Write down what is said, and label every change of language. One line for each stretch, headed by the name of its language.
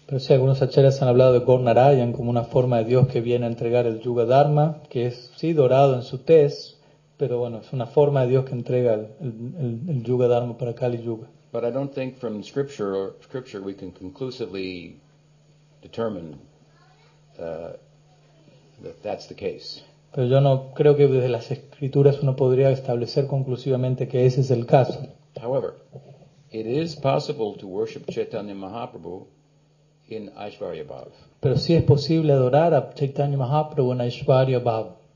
Spanish: Pero sí, algunos acharyas han hablado de Gaur Narayan como una forma de Dios que viene a entregar el Yuga Dharma, que es, sí, dorado en su tez, pero bueno, es una forma de Dios que entrega el Yuga Dharma para Kali Yuga.
English: But I don't think from scripture we can conclusively determine that that's the case.
Spanish: Pero yo no creo que desde las escrituras uno podría establecer conclusivamente que ese es el caso.
English: However, it is possible to worship Chaitanya Mahaprabhu in Aishwarya Bhav.
Spanish: Pero sí es posible adorar a Chaitanya Mahaprabhu en Aishwarya Bhav.